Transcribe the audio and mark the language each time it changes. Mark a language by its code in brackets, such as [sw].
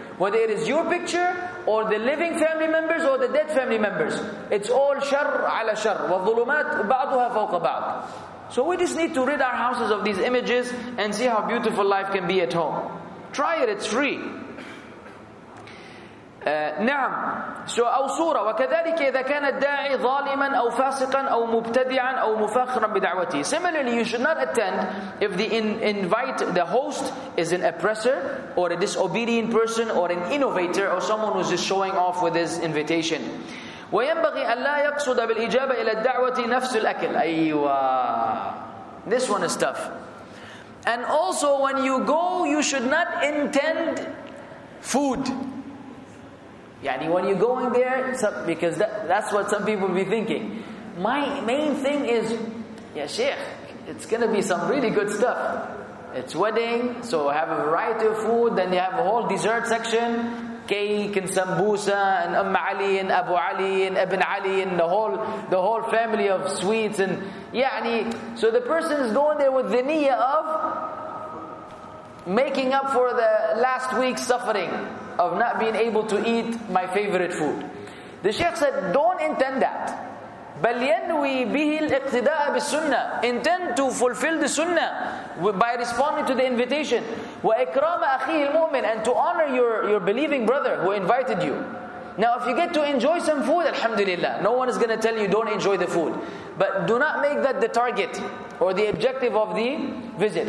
[en] Whether it is your picture, or the living family members, or the dead family members. It's all [ar] shar ala shar. وَالظُّلُمَاتْ بَعْضُهَا فَوْقَ بَعْضٍ. [en] So we just need to rid our houses of these images and see how beautiful life can be at home. Try it, it's free. [ar] نعم. So أو صورة وكذلك إذا كان الداعي ظالما أو فاسقا أو مبتدعا أو مفخرا بدعوته. [en] Similarly, you should not attend if the invite, the host, is an oppressor or a disobedient person or an innovator or someone who's just showing off with his invitation. [ar] وينبغي أن لا يقصد بالإجابة إلى الدعوة نفس الأكل. [en] أيوة. This one is tough. And also, when you go, you should not intend food. يعني when you're going there, because that's what some people be thinking. My main thing is, yeah, Sheikh, it's gonna be some really good stuff. It's wedding, so have a variety of food. Then you have a whole dessert section. Cake and sambusa and Umm Ali and Abu Ali and Ibn Ali and the whole family of sweets and yani. So the person is going there with the niyyah of making up for the last week's suffering of not being able to eat my favorite food. The Sheikh said, don't intend that. [ar] بل ينوي به الاقتداء بالسنة. [en] Intend to fulfill the sunnah by responding to the invitation. [ar] وإكرام أخيه المؤمن, [en] and to honor your believing brother who invited you. Now if you get to enjoy some food, alhamdulillah, no one is going to tell you don't enjoy the food. But do not make that the target or the objective of the visit.